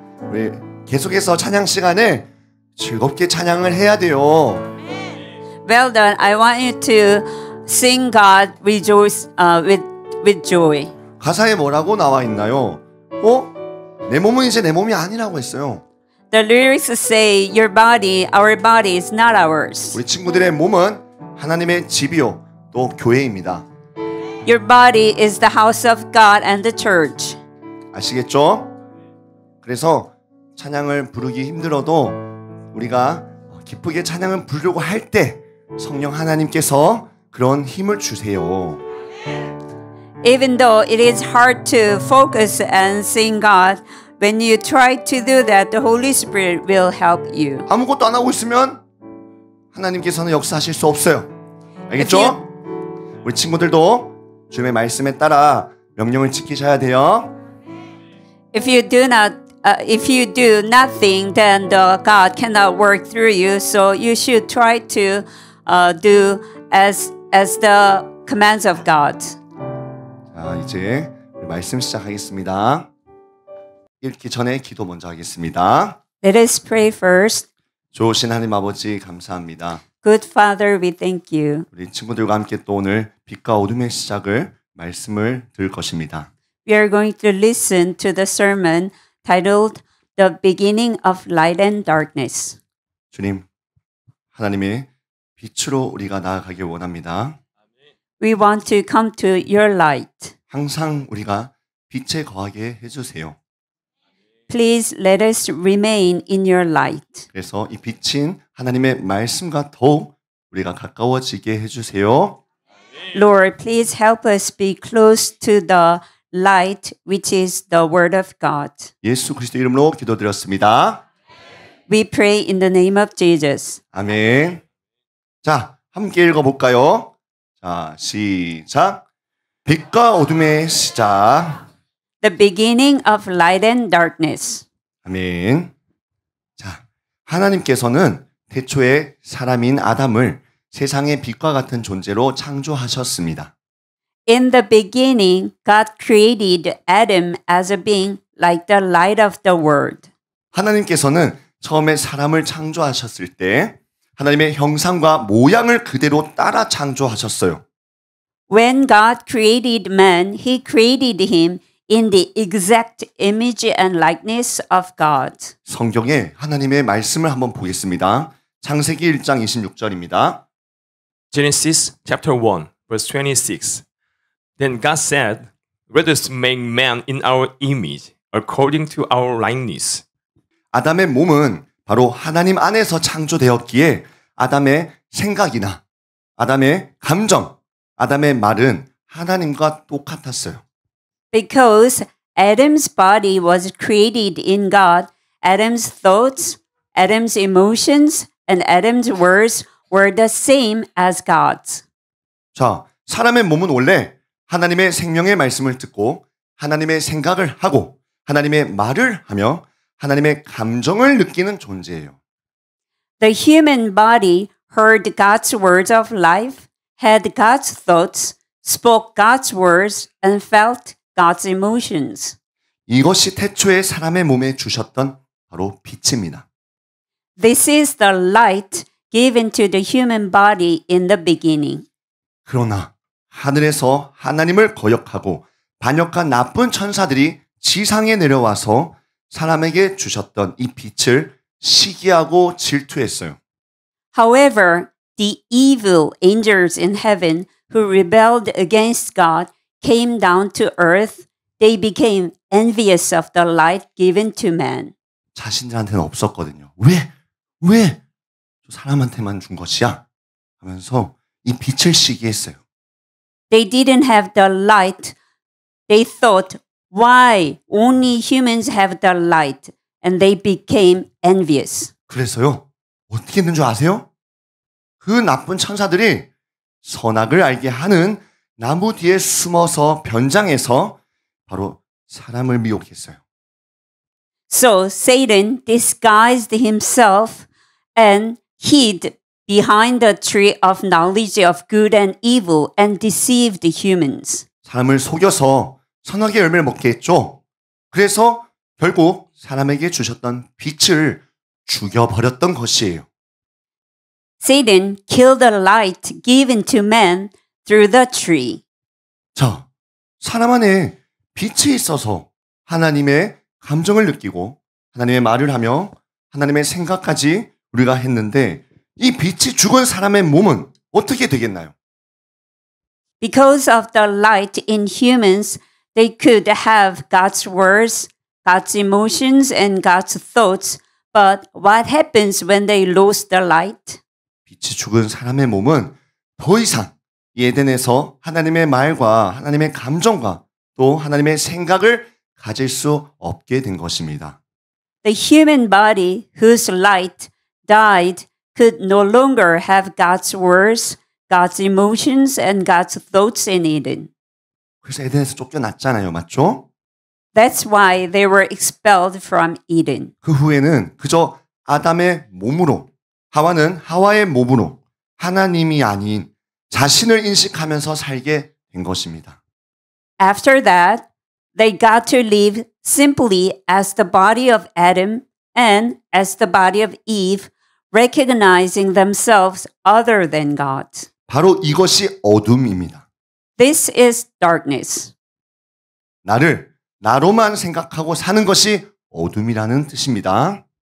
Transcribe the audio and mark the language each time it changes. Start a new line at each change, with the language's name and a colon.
Korean: 우리 계속해서 찬양 시간에 즐겁게 찬양을 해야 돼요.
English: Well done. I want you to sing God rejoice with joy.
Korean: 가사에 뭐라고 나와 있나요? 어? 내 몸은 이제 내 몸이 아니라고 했어요.
English: The lyrics say your body, our body is not ours.
Korean: 우리 친구들의 몸은 하나님의 집이요 또 교회입니다.
English: Your body is the house of God and the church.
Korean: 아시겠죠? 그래서 찬양을 부르기 힘들어도 우리가 기쁘게 찬양을 부르려고 할 때 성령 하나님께서 그런 힘을 주세요.
English: Even though it is hard to focus and sing God, when you try to do that, the Holy Spirit will help you.
Korean: 아무것도 안 하고 있으면 하나님께서는 역사하실 수 없어요. 알겠죠? 우리 친구들도 주님의 말씀에 따라 명령을 지키셔야 돼요.
English: If you do not if you do nothing, then the God cannot work through you. So you should try to do as the commands of God.
Korean: 자, 이제 말씀 시작하겠습니다. 읽기 전에 기도 먼저 하겠습니다.
English: Let us pray first.
Korean: 좋으신 하나님 아버지 감사합니다.
English: Good Father, we thank you.
Korean: 우리 친구들과 함께 또 오늘 빛과 어둠의 시작을 말씀을 들을 것입니다.
English: We are going to listen to the sermon titled The Beginning of Light and Darkness.
Korean: 주님, 하나님의 빛으로 우리가 나아가길 원합니다.
English: We want to come to your light.
Korean: 항상 우리가 빛에 거하게 해주세요.
English: Please let us remain in your light.
Korean: 그래서 이 빛인 하나님의 말씀과 더욱 우리가 가까워지게 해주세요.
English: Lord, please help us be close to the light, which is the word of God.
Korean: 예수 그리스도 이름으로 기도드렸습니다.
English: We pray in the name of Jesus.
Korean: 아멘. 자, 함께 읽어볼까요? 자, 시작. 빛과 어둠의 시작.
English: The beginning of light and darkness.
Korean: 아멘. 자, 하나님께서는 태초에 사람인 아담을 세상의 빛과 같은 존재로 창조하셨습니다.
English: In the beginning, God created Adam as a being like the light of the world.
Korean: 하나님께서는 처음에 사람을 창조하셨을 때 하나님의 형상과 모양을 그대로 따라 창조하셨어요.
English: When God created man, he created him in the exact image and likeness of God.
Korean: 성경에 하나님의 말씀을 한번 보겠습니다. 창세기 1장 26절입니다.
English: Genesis chapter 1 verse 26. Then God said, Let us make man in our image, according to our likeness.
Korean: 아담의 몸은 바로 하나님 안에서 창조되었기에 아담의 생각이나 아담의 감정, 아담의 말은 하나님과 똑같았어요.
English: Because Adam's body was created in God, Adam's thoughts, Adam's emotions, and Adam's words were the same as God's.
Korean: 자, 사람의 몸은 원래 하나님의 생명의 말씀을 듣고 하나님의 생각을 하고 하나님의 말을 하며 하나님의 감정을 느끼는 존재예요.
English: The human body heard God's words of life, had God's thoughts, spoke God's words, and felt God's emotions.
Korean: 이것이 태초에 사람의 몸에 주셨던 바로 빛입니다.
English: This is the light given to the human body in the beginning.
Korean: 그러나 하늘에서 하나님을 거역하고 반역한 나쁜 천사들이 지상에 내려와서 사람에게 주셨던 이 빛을 시기하고 질투했어요.
English: However, the evil angels in heaven who rebelled against God came down to earth. They became envious of the light given to man.
Korean: 자신들한테는 없었거든요. 왜? 왜? 저 사람한테만 준 것이야? 하면서 이 빛을 시기했어요.
English: They didn't have the light. They thought, why only humans have the light? And they became envious.
Korean: 그래서요? 어떻게 했는 줄 아세요? 그 나쁜 천사들이 선악을 알게 하는 나무 뒤에 숨어서 변장해서 바로 사람을 미혹했어요.
English: So Satan disguised himself and hid behind the tree of knowledge of good and evil and deceived humans.
Korean: 사람을 속여서 선악의 열매를 먹게 했죠. 그래서 결국 사람에게 주셨던 빛을 죽여버렸던 것이에요.
English: Satan killed the light given to man through the tree.
Korean: 자, 사람 안에 빛이 있어서 하나님의 감정을 느끼고 하나님의 말을 하며 하나님의 생각까지 우리가 했는데 이 빛이 죽은 사람의 몸은 어떻게 되겠나요?
English: Because of the light in humans, they could have God's words, God's emotions, and God's thoughts. But what happens when they lose the light?
Korean: 빛이 죽은 사람의 몸은 더 이상 에덴에서 하나님의 말과 하나님의 감정과 또 하나님의 생각을 가질 수 없게 된 것입니다.
English: The human body whose light died could no longer have God's words, God's emotions, and God's thoughts in Eden.
Korean: 그래서 에덴에서 쫓겨났잖아요, 맞죠?
English: That's why they were expelled from Eden.
Korean: 그 후에는 그저 아담의 몸으로, 하와는 하와의 몸으로 하나님이 아닌 자신을 인식하면서 살게 된 것입니다.
English: After that, they got to live simply as the body of Adam and as the body of Eve, recognizing themselves other than God.
Korean: 바로 이것이 어둠입니다.
English: This is darkness.
Korean: 나를 나로만 생각하고 사는 것이 어둠이라는 뜻입니다.